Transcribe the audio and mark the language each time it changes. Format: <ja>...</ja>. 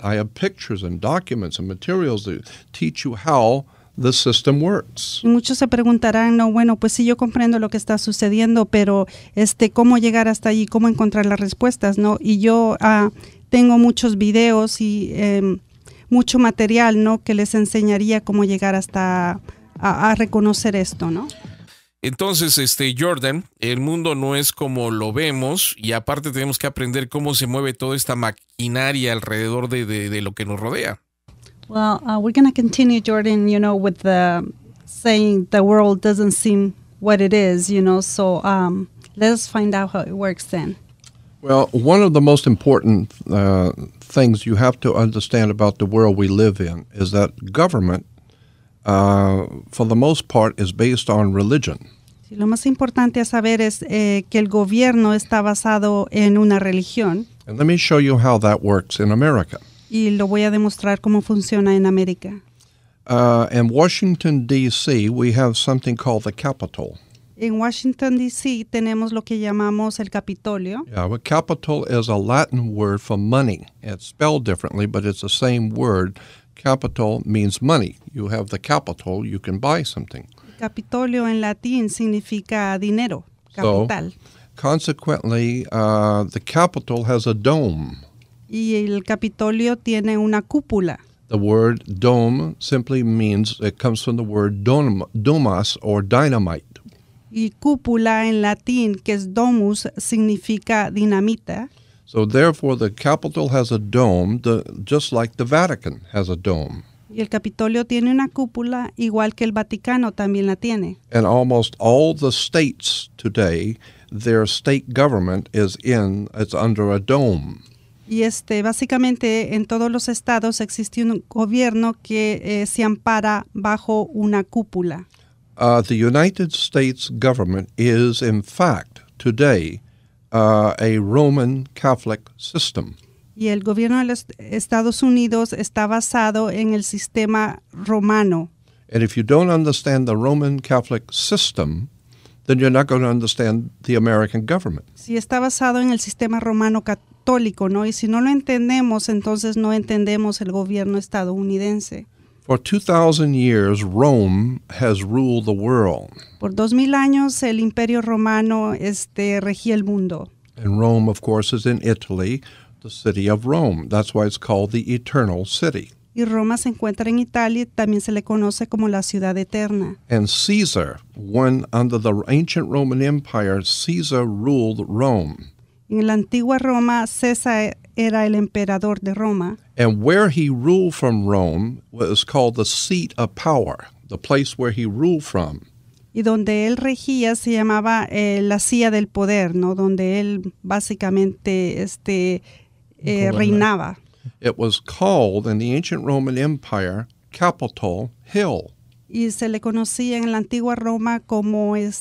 <en>I have pictures and documents and materials that teach you how the system works.</en> <es>Y muchos se preguntarán, no, bueno, pues sí, yo comprendo lo que está sucediendo, pero cómo llegar hasta allí, cómo encontrar las respuestas, ¿no? Y yo tengo muchos videos y mucho material, ¿no?, que les enseñaría cómo llegar hasta a reconocer esto, ¿no? Entonces, Jordan, el mundo no es como lo vemos y aparte tenemos que aprender cómo se mueve toda esta maquinaria alrededor de lo que nos rodea.</es> <en>Well, we're going to continue, Jordan, you know, with the saying the world doesn't seem what it is, you know, so let's find out how it works then. Well, one of the most important things you have to understand about the world we live in is that government, for the most part, is based on religion.</en> <es>Sí, lo más importante a saber es que el gobierno está basado en una religión.</es> <en>And let me show you how that works in America.</en> <es>Y lo voy a demostrar cómo funciona en América.</es> <en>In Washington, D.C., we have something called the Capitol.</en> <es>En Washington, D.C., tenemos lo que llamamos el Capitolio.</es> <en>Yeah, but capital is a Latin word for money. It's spelled differently, but it's the same word. Capital means money. You have the capital, you can buy something.</en> <es>Capitolio en latín significa dinero, capital.</es> <en>So, consequently, the capital has a dome.</en> <es>Y el Capitolio tiene una cúpula.</es> <en>The word dome simply means, it comes from the word domas or dynamite.</en> <es>Y cúpula en latín, que es domus, significa dinamita.</es> <en>So therefore, the Capitol has a dome, just like the Vatican has a dome.</en> <es>Y el Capitolio tiene una cúpula, igual que el Vaticano también la tiene.</es> <en>And almost all the states today, their state government is under a dome.</en> <es>Y básicamente en todos los estados existe un gobierno que se ampara bajo una cúpula.</es> <en>The United States government is, in fact, today, a Roman Catholic system.</en> <es>Y el gobierno de los Estados Unidos está basado en el sistema romano.</es> <en>And if you don't understand the Roman Catholic system, then you're not going to understand the American government.</en> <es>Si está basado en el sistema romano católico, ¿no? Y si no lo entendemos, entonces no entendemos el gobierno estadounidense.</es> <en>For 2,000 years, Rome has ruled the world.</en> <es>Por 2,000 años, el Imperio Romano regía el mundo.</es> <en>And Rome, of course, is in Italy, the city of Rome. That's why it's called the Eternal City.</en> <es>Y Roma se encuentra en Italia, también se le conoce como la ciudad eterna.</es> <en>And Caesar, when under the ancient Roman Empire, Caesar ruled Rome.</en> <es>En la antigua Roma, César era el emperador de Roma.</es> <en>And where he ruled from Rome was called the seat of power, the place where he ruled from.</en> <es>Y donde él regía se llamaba la silla del poder, ¿no? Donde él básicamente reinaba.</es> <en>It was called in the ancient Roman Empire Capitol Hill.</en> <es>Y se le conocía en la antigua Roma como</es>